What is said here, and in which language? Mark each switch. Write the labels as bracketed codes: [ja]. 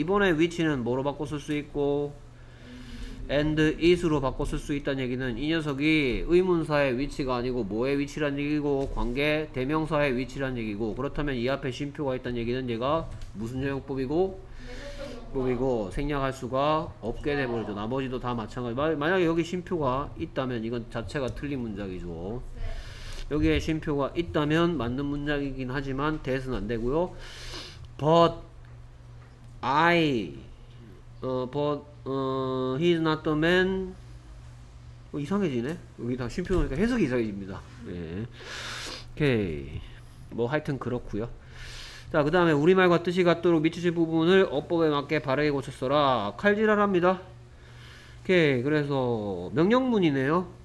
[ko] 이번에 위치는 뭐로 바꿔 쓸 수 있고 and is로 바꿔 쓸 수 있다는 얘기는 이 녀석이 의문사의 위치가 아니고 뭐의 위치란 얘기고, 관계 대명사의 위치란 얘기고, 그렇다면 이 앞에 쉼표가 있다는 얘기는 얘가 무슨 영역법이고 그리고 생략할 수가 없게 되버리죠. 나머지도 다 마찬가지. 만약에 여기 쉼표가 있다면 이건 자체가 틀린 문장이죠. 네. 여기에 쉼표가 있다면 맞는 문장이긴 하지만 that은 안 되고요. [en] But I, but he is not the man. [ko] 이상해지네. 여기 다 쉼표 넣으니까 해석이 이상해집니다. 네. 오케이. 뭐 하여튼 그렇고요. 자, 그 다음에 우리말과 뜻이 같도록 미치실 부분을 어법에 맞게 바르게 고쳤어라. 칼질하랍니다. 오케이. 그래서 명령문이네요.